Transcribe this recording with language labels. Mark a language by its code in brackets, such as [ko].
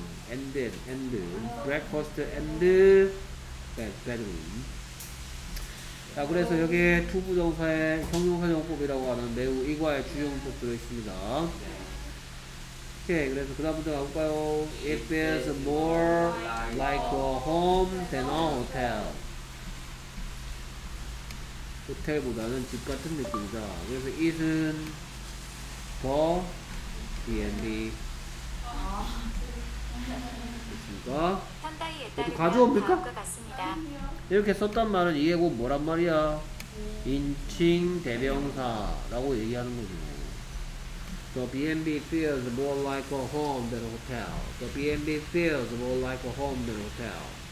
[en] ended, and breakfast and bedroom. [ko] 자, 그래서 여기에 투부 정사의 형용사정법이라고 하는 매우 이과의 주요문법 들어있습니다. 오케이, 그래서 그 다음부터 가볼까요? [en] It feels more like a home than a hotel. [ko] 호텔보다는 집 같은 느낌이다. 그래서 it은 더 B&B. 됐습니까? 이것도 가져옵니까? 이렇게 썼단 말은 이해고 뭐란 말이야? 인칭 대명사라고 얘기하는 거지. [en] The B&B feels more like a home than a hotel. The B&B feels more like a home than a hotel.